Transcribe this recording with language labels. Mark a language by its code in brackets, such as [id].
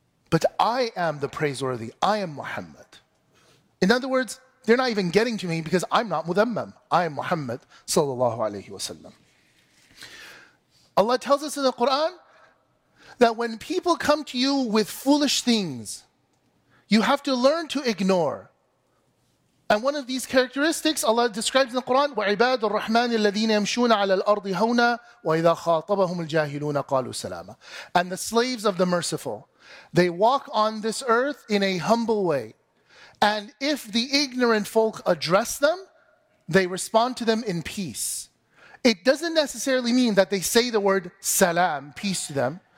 [en] But I am the praiseworthy. I am Muhammad. In other words, they're not even getting to me because I'm not Mudhammam. I am Muhammad sallallahu alayhi wasallam. Allah tells us in the Quran that when people come to you with foolish things, you have to learn to ignore. And one of these characteristics Allah describes in the Quran, [ar] وَعِبَادُ الرَّحْمَنِ الَّذِينَ يَمْشُونَ عَلَى الْأَرْضِ هَوْنَا وَإِذَا خَاطَبَهُمُ الْجَاهِلُونَ قَالُوا سَلَامًا. [en] And the slaves of the merciful, they walk on this earth in a humble way. And if the ignorant folk address them, they respond to them in peace. It doesn't necessarily mean that they say the word salam, peace to them.